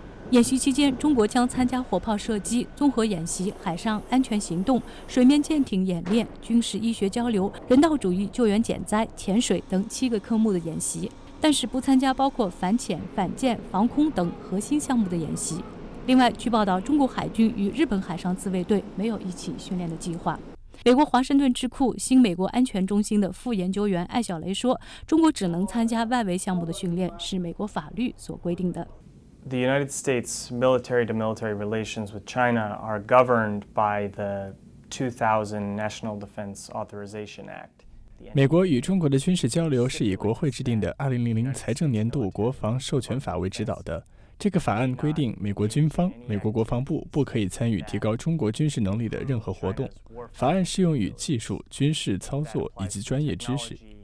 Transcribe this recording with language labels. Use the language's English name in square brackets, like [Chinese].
[Chinese] 演习期间，中国将参加火炮射击、综合演习、海上安全行动、水面舰艇演练、军事医学交流、人道主义救援减灾、潜水等七个科目的演习，但是不参加包括反潜、反舰、防空等核心项目的演习。另外，据报道，中国海军与日本海上自卫队没有一起训练的计划。美国华盛顿智库新美国安全中心的副研究员艾小雷说，中国只能参加外围项目的训练是美国法律所规定的。 [English] The United States military-to-military relations with China are governed by the 2000 National Defense Authorization Act. [Chinese] 美国与中国的军事交流是以国会制定的2000财政年度国防授权法为指导的。这个法案规定，美国军方、美国国防部不可以参与提高中国军事能力的任何活动。法案适用于技术、军事操作以及专业知识。